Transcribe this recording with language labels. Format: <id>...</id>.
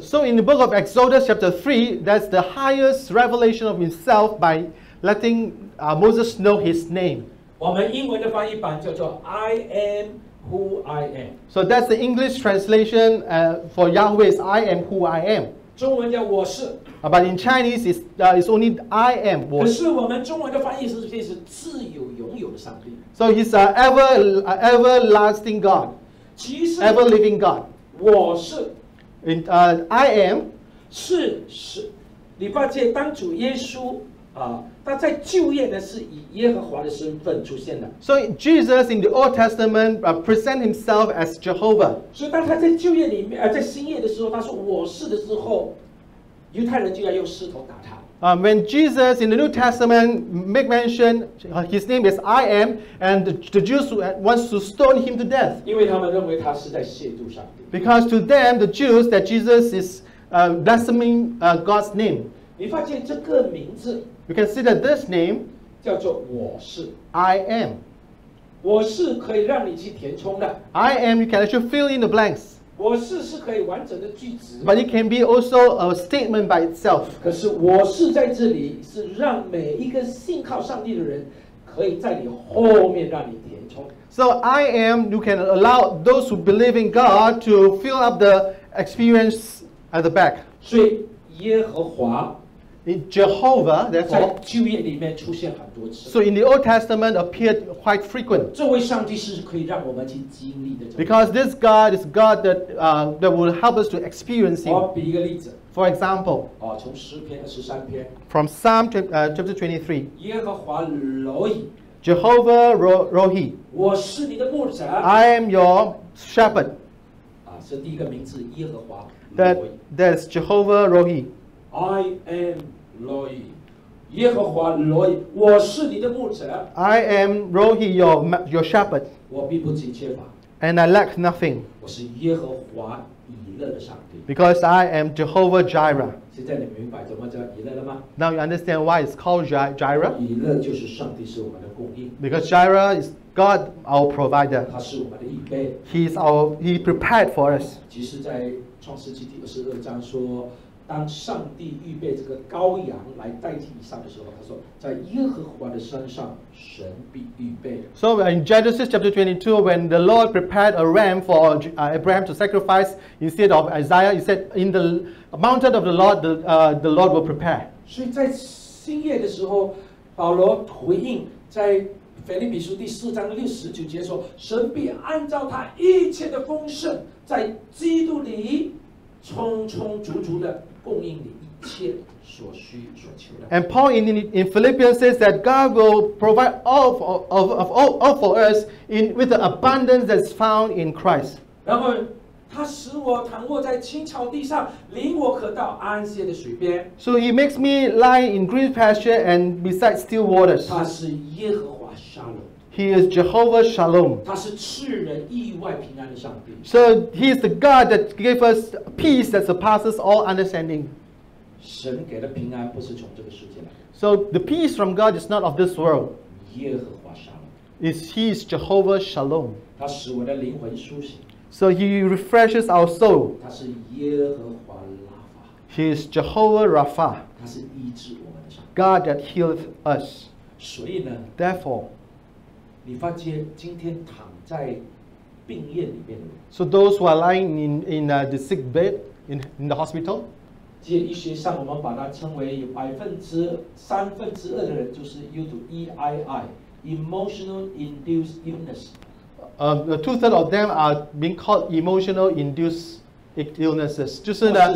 <en>So in the book of Exodus chapter 3, that's the highest revelation of himself by letting Moses know his name.</en> <zh>我们英文的翻译版叫做</zh> <en>I am who I am. So that's the English translation for Yahweh is I am who I am.</en> <zh>中文叫我是。</zh> <en>But in Chinese, it's only I am.</en> <zh>可是我们中文的翻译是不是是自由拥有的上帝？</zh> <en>So he's an everlasting God.</en> <zh>其实</zh> <en>ever living God.</en> <zh>我是。</zh> <en>I am.</en> <zh>是礼拜天当主耶稣他在旧约呢是以耶和华的身份出现的。</zh> <en>So Jesus in the Old Testament present himself as Jehovah.</en> <zh>所以当他在旧约里面在新约的时候，他说我是的时候。犹太人就要用石头打他。</zh> <en>When Jesus in the New Testament make mention his name is I am, and the Jews wants to stone him to death.</en> <zh>因为他们认为他是在亵渎上帝。</zh> <en>Because to them, the Jews, that Jesus is blaspheming God's name.</en> <zh>你发现这个名字。</zh> <en>You can see that this name</en> <zh>叫做我是。</zh> <en>I am.</en> <zh>我是可以让你去填充的。</zh> <en>I am, you can actually fill in the blanks.</en> <zh>我是可以完整的句子。</zh> <en>But it can be also a statement by itself.</en> <zh>可是我是在这里是让每一个信靠上帝的人可以在你后面让你填充。</zh> <en>So I am, you can allow those who believe in God to fill up the experience at the back.</en> <zh>所以耶和华</zh> <en>in Jehovah, therefore,</en> <zh>在旧约里面出现很多次。</zh> <en>So in the Old Testament appeared quite frequent.</en> <zh>这位上帝是可以让我们去经历的。</zh> <en>Because this God is God that, that will help us to experience Him.</en> <zh>我比一个例子。</zh> <en>For example,</en> <zh>从诗篇二十三篇。</zh> <en>From Psalm chapter 23.</en> <zh>耶和华罗伊。</zh> <en>Jehovah Rohi.</en> <zh>我是你的牧者。</zh> <en>I am your shepherd.</en> <zh>是第一个名字耶和华罗伊。</zh> <en>That's Jehovah Rohi. I am Rohi.</en> <zh>耶和华罗伊，我是你的牧者。</zh> <en>I am Rohi, your shepherd.</en> <zh>我并不紧缺乏。</zh> <en>And I lack nothing.</en> <zh>我是耶和华以勒的上帝。</zh> <en>Because I am Jehovah Jireh.</en> <zh>现在你明白怎么叫以勒了吗？</zh> <en>Now you understand why it's called Jireh?</en> <zh>以勒就是上帝是我们的供应。</zh> <en>Because Jireh is God, our provider.</en> <zh>他是我们的预备。</zh> <en>He prepared for us.</en> <zh>即使在创世纪第二十二章说当上帝预备这个羔羊来代替以撒的时候，他说，在耶和华的山上，神必预备。</zh> <en>So in Genesis chapter 22, when the Lord prepared a ram for Abraham to sacrifice instead of Isaiah, he said, in the mountain of the Lord, the Lord will prepare.</en> <zh>所以在新约的时候，保罗回应在腓立比书第四章六十九节说，神必按照他一切的丰盛，在基督里。充充足足的供应你一切所需所求的。</zh> <en>And Paul in Philippians says that God will provide all for us with the abundance that's found in Christ.</en> <zh>然后他使我躺卧在青草地上，领我可到安歇的水边。</zh> <en>So he makes me lie in green pasture and beside still waters.</en> <zh>他是耶和华沙龙。</zh> <en>He is Jehovah Shalom.</en> <zh>他是赐人意外平安的上帝。</zh> <en>So he is the God that gave us peace that surpasses all understanding.</en> <zh>神给的平安不是从这个世界来。</zh> <en>So the peace from God is not of this world.</en> <zh>耶和华沙龙。</zh> <en>He is Jehovah Shalom.</en> <zh>他使我的灵魂苏醒。</zh> <en>So he refreshes our soul.</en> <zh>他是耶和华拉法。</zh> <en>He is Jehovah Rapha.</en> <zh>他是医治我们的上帝。</zh> <en>God that healeth us.</en> <zh>所以呢</zh> <en>？Therefore.</en> <zh>你发现今天躺在病院里面的人</zh> <en>，So those who are lying in the sick bed in the hospital，</en> <zh>其实医学上我们把它称为有百分之三分之二的人就是</zh> <en>due to EII emotional induced illness。 2/3 of them are being called emotional induced illnesses， 就是呢</en>